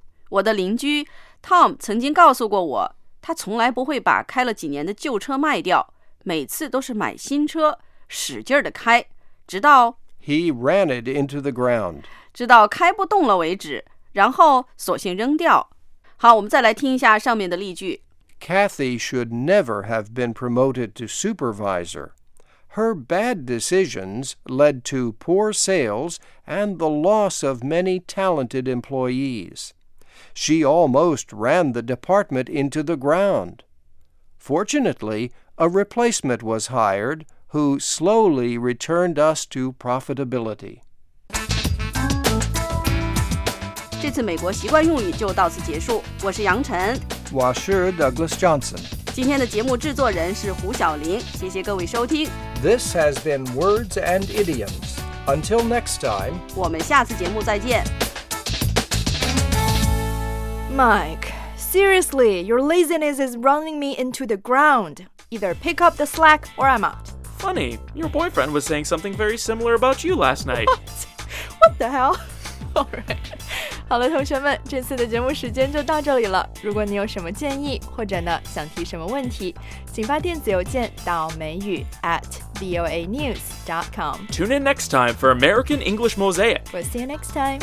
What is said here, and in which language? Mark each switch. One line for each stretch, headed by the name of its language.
Chinese: 我的邻居 Tom 曾经告诉过我，他从来不会把开了几年的旧车卖掉，每次都是买新车，使劲儿的开，直到
English: He ran it into the ground，
Chinese: 直到开不动了为止，然后索性扔掉。好，我们再来听一下上面的例句。
English: Kathy should never have been promoted to supervisor. Her bad decisions led to poor sales and the loss of many talented employees. She almost ran the department into the ground. Fortunately, a replacement was hired who slowly returned us to profitability.
Chinese: 这次美国习惯用语就到此结束。我是杨晨。我是 Douglas Johnson。今天的节目制作人是胡晓琳，谢谢各位收听。
English: This has been Words and Idioms. Until next time,
Chinese: 我们下次节目再见。
English: Mike, seriously, your laziness is running me into the ground. Either pick up the slack or I'm out. Funny, your boyfriend was saying something very similar about you last night. What? What the hell? All right.
Chinese: 好了，同学们，这次的节目时间就到这里了。如果你有什么建议，或者呢想提什么问题，请发电子邮件到美语@voanews.com.
English: Tune in next time for American English Mosaic. We'll see you next time.